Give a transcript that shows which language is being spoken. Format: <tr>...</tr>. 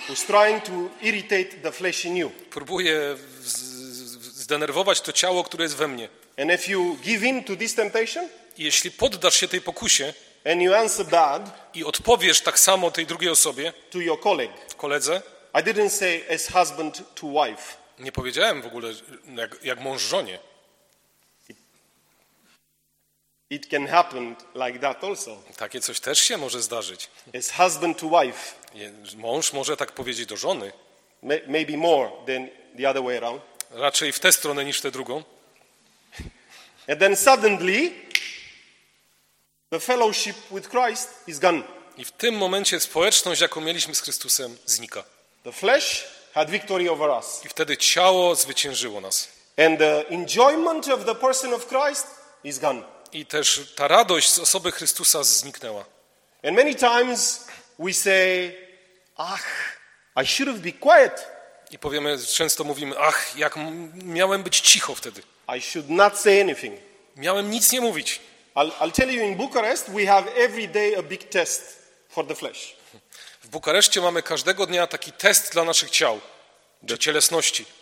<en>who's trying to irritate the flesh in you.</en> <pl>Próbuje zdenerwować to ciało, które jest we mnie.</pl> <en>And if you give in to this temptation,</en> <pl>jeśli poddasz się tej pokusie,</pl> <en>and you answer bad,</en> <pl>i odpowiesz tak samo tej drugiej osobie,</pl> <en>to your colleague,</en> <pl>koledze,</pl> <en>I didn't say as husband to wife.</en> <pl>Nie powiedziałem w ogóle jak mąż żonie.</pl> <en>It can happen like that also.</en> <pl>Takie coś też się może zdarzyć.</pl> <en>As husband to wife.</en> <pl>Mąż może tak powiedzieć do żony.</pl> <en>Maybe more than the other way around.</en> <pl>Raczej w tę stronę niż tę drugą.</pl> <en>And then suddenly the fellowship with Christ is gone.</en> <pl>I w tym momencie społeczność, jaką mieliśmy z Chrystusem, znika.</pl> <en>The flesh had victory over us.</en> <pl>I wtedy ciało zwyciężyło nas.</pl> <en>And the enjoyment of the person of Christ is gone.</en> <pl>I też ta radość z osoby Chrystusa zniknęła.</pl> <en>And many times we say, ach, I should have been quiet.</en> <pl>I powiemy, często mówimy, ach, jak miałem być cicho wtedy.</pl> <en>I should not say anything.</en> <pl>Miałem nic nie mówić.</pl> <en>I'll tell you, in Bucharest we have every day a big test for the flesh.</en> <pl>W Bukareszcie mamy każdego dnia taki test dla naszych ciał, dla cielesności.</pl>